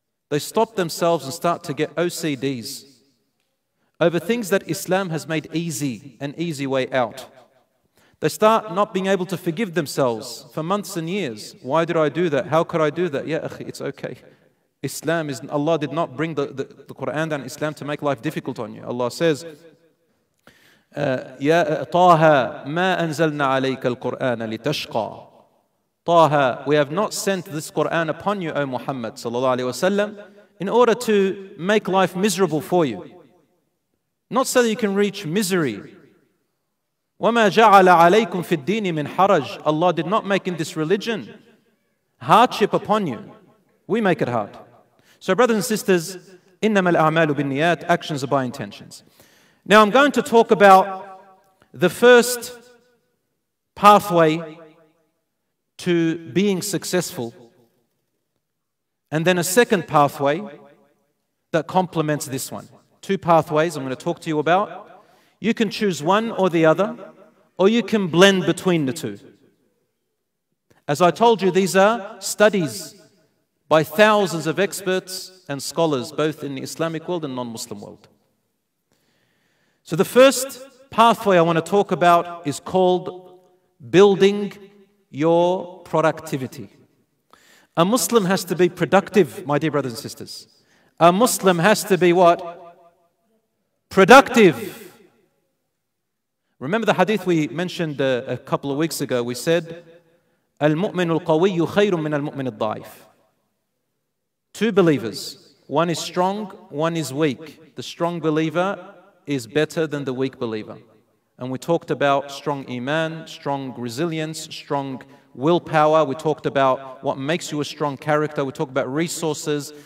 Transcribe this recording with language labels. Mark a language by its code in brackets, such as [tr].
[en] They stop themselves and start to get OCDs over things that Islam has made easy, an easy way out. They start not being able to forgive themselves for months and years. Why did I do that? How could I do that? Yeah, it's okay. Islam is, Allah did not bring the Quran and Islam to make life difficult on you. Allah says, [ar] يا طه ما أنزلنا عليك القرآن لتشقى. [en] طه, we have not sent this Quran upon you, O Muhammad sallallahu alaihi wasallam, in order to make life miserable for you, not so that you can reach misery. [ar] وما جعل عليكم في الدين من حرج. [en] Allah did not make in this religion hardship upon you. We make it hard. So, brothers and sisters, [ar] إنما الأعمال بالنيات. [en] Actions are by intentions. Now I'm going to talk about the first pathway to being successful, and then a second pathway that complements this one. Two pathways I'm going to talk to you about. You can choose one or the other, or you can blend between the two. As I told you, these are studies by thousands of experts and scholars, both in the Islamic world and non-Muslim world. So the first pathway I want to talk about is called building your productivity. A Muslim has to be productive, my dear brothers and sisters. A Muslim has to be what? Productive. Remember the hadith we mentioned a couple of weeks ago? We said, [ar] المؤمن القوي خير من المؤمن الضعيف. [en] Two believers, one is strong, one is weak. The strong believer is better than the weak believer. And we talked about strong iman, strong resilience, strong willpower. We talked about what makes you a strong character. We talked about resources.